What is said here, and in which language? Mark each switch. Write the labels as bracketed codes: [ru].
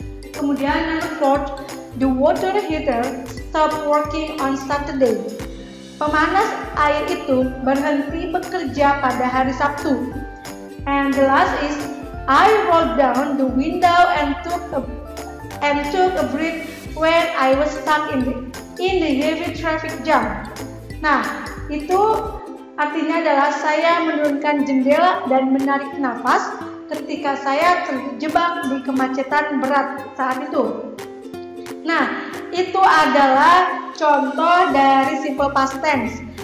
[id] Kemudian, [en] number fourth, the water heater stopped working on Saturday. [id] Pemanas air itu berhenti bekerja pada hari Sabtu. [en] And the last is, I rolled down the window and took a breath when I was stuck in the heavy traffic jam. [id] Nah, itu artinya adalah saya menurunkan jendela dan menarik nafas ketika saya terjebak di kemacetan berat saat itu. Nah, itu adalah contoh dari simple past tense.